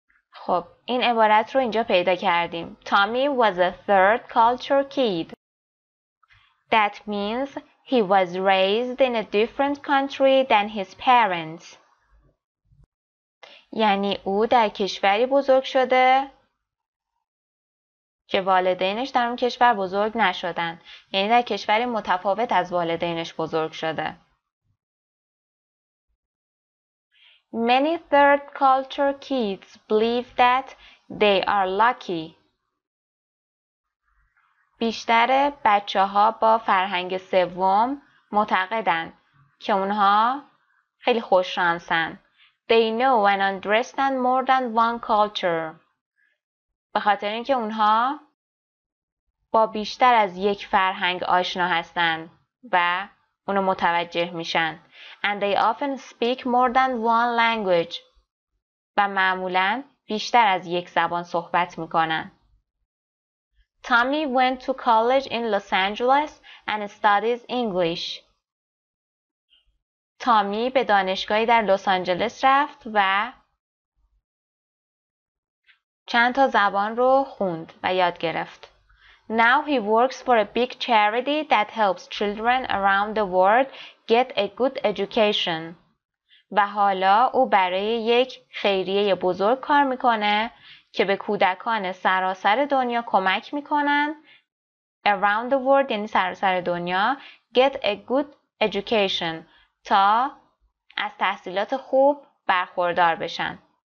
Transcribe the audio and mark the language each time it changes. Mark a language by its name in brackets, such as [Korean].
[Persian] خب این عبارت رو اینجا پیدا کردیم. [English] Tommy was a third culture kid. That means he was raised in a different country than his parents. [Persian] یعنی او در کشوری بزرگ شده که والدینش در اون کشور بزرگ نشدن. یعنی در کشوری متفاوت از والدینش بزرگ شده. [English] Many third culture kids believe that they are lucky. [Persian] بیشتر بچه ها با فرهنگ سوم معتقدند که اونها خیلی خوش شانسن. [English] They know and understand more than one culture. [Persian] به خاطر اینکه اونها با بیشتر از یک فرهنگ آشنا هستن و اونو متوجه میشن. [English] And they often speak more than one language. [Persian] و معمولاً بیشتر از یک زبان صحبت میکنن. [English] Tommy went to college in Los Angeles and studies English. [Persian] تامی به دانشگاهی در لس آنجلس رفت و چند تا زبان رو خوند و یاد گرفت. [English] Now he works for a big charity that helps children around the world get a good education. [Persian] و حالا او برای یک خیریه بزرگ کار میکنه که به کودکان سراسر دنیا کمک میکنن. [English] Around the world [Persian] یعنی سراسر دنیا. [English] Get a good education. [Persian] تا از تحصیلات خوب برخوردار بشن.